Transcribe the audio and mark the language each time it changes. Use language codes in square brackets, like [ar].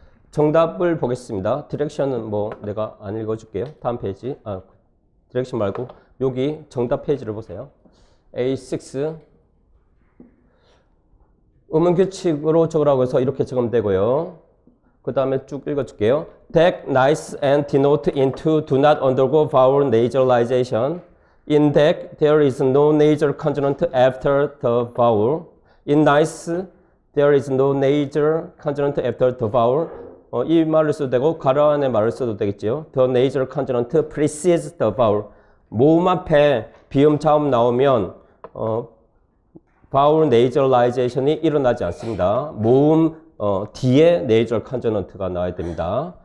[ko] 정답을 보겠습니다. direction은 뭐 내가 안 읽어줄게요. 다음 페이지. 디렉션 말고 여기 정답 페이지를 보세요. A6 음운 규칙으로 적으라고 해서 이렇게 적으면 되고요. 그 다음에 쭉 읽어줄게요. [en] Deck, nice, and denote into do not undergo vowel nasalization. In deck, there is no nasal consonant after the vowel. In nice, there is no nasal consonant after the vowel. [ko] 이 말을 써도 되고 가로안의 말을 써도 되겠지요. [en] The nasal consonant precedes the vowel. [ko] 모음 앞에 비음 자음 나오면 vowel nasalization이 일어나지 않습니다. 모음 뒤에 nasal consonant가 나와야 됩니다.